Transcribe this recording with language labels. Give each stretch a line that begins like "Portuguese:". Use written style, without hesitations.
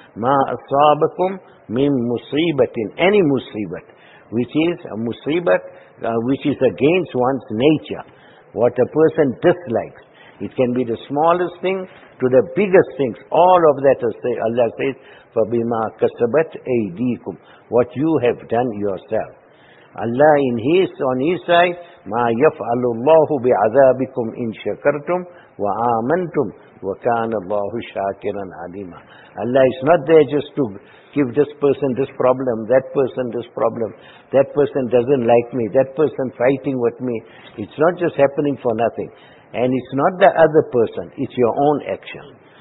Arabic: Ma asabakum min musibatin,
English: any musibat, which is a musibat, which is against one's nature, what a person dislikes. It can be the smallest thing to the biggest things. All of that Allah says,
Arabic: فَبِمَا كَسَبَتْ أَيْدِيكُمْ,
English: what you have done yourself. Allah in His, on His side,
Arabic: مَا يَفْعَلُ اللَّهُ بِعَذَابِكُمْ إِنْ شَكَرْتُمْ وَآمَنْتُمْ وَكَانَ اللَّهُ شَاكِرًا عَلِيمًا.
English: Allah is not there just to give this person this problem, that person this problem, that person doesn't like me, that person fighting with me. It's not just happening for nothing. And it's not the other person, it's your own action.